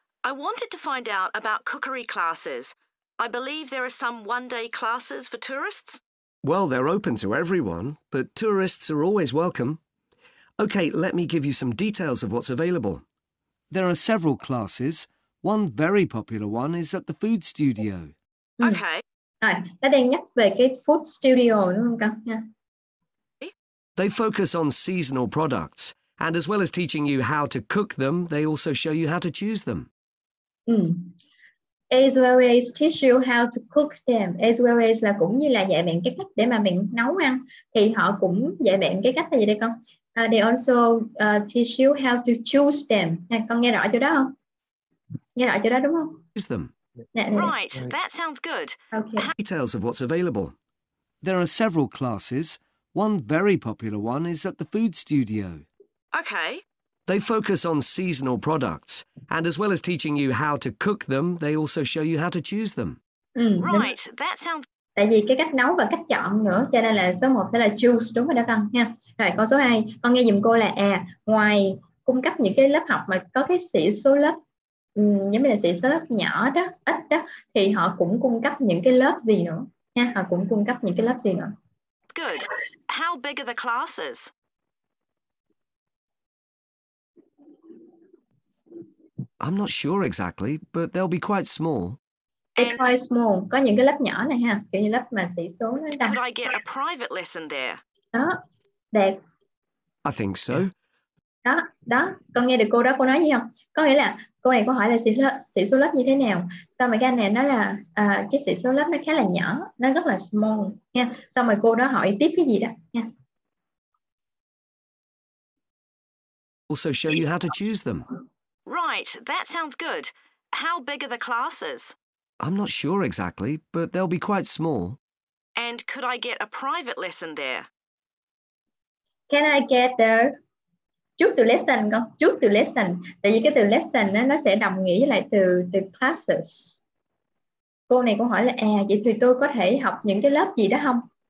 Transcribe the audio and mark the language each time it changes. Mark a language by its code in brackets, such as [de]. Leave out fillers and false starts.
[en] I wanted to find out about cookery classes. I believe there are some one-day classes for tourists. Well, they're open to everyone, but tourists are always welcome. OK, let me give you some details of what's available. There are several classes. One very popular one is at the food studio. OK. [vi] Rồi, đang nhắc về cái food studio đúng không con? [en] They focus on seasonal products, and as well as teaching you how to cook them, they also show you how to choose them. As well as teach you how to cook them. As well as [vi] là cũng như là dạy bạn cái cách để mà bạn nấu ăn. Thì họ cũng dạy bạn cái cách là gì đây con? [en] They also teach you how to choose them. [vi] Nè, con nghe rõ chỗ đó không? Nghe rõ chỗ đó đúng không? [en] Choose them. Right, that sounds good. Okay. Details of what's available. There are several classes. One very popular one is at the food studio. Okay. They focus on seasonal products, and as well as teaching you how to cook them, they also show you how to choose them. Right, that sounds. [vi] Tại vì cái cách nấu và cách chọn nữa, cho nên là số 1 sẽ là choose, đúng rồi đó con nha. Rồi con số 2, con nghe giùm cô là ngoài cung cấp những cái lớp học mà có cái sĩ số lớp giống như là sĩ số lớp nhỏ đó, ít đó, thì họ cũng cung cấp những cái lớp gì nữa nha, họ cũng cung cấp những cái lớp gì nữa. [en] Good. How big are the classes? I'm not sure exactly, but they'll be quite small. They're quite small. [vi] Có những cái lớp nhỏ này ha, kiểu như lớp mà sĩ số nó đông. [en] Could I get a private lesson there? [vi] Đó, đẹp. [en] I think so. [vi] Đó, đó, con nghe được cô đó, cô nói gì không? Có nghĩa là cô này có hỏi là sĩ số lớp như thế nào? Xong rồi cái anh này nói là cái sĩ số lớp nó khá là nhỏ, nó rất là small nha. Xong rồi cô đó hỏi tiếp cái gì đó nha. [en] Also show you how to choose them. Right, that sounds good. How big are the classes? I'm not sure exactly, but they'll be quite small. And could I get a private lesson there? Can I get the [vi] trước từ lesson không? Trước từ lesson. Tại vì cái từ lesson nó sẽ đồng nghĩa với lại từ từ classes. Cô này cũng hỏi là vậy thì tôi có thể học những cái lớp gì đó không?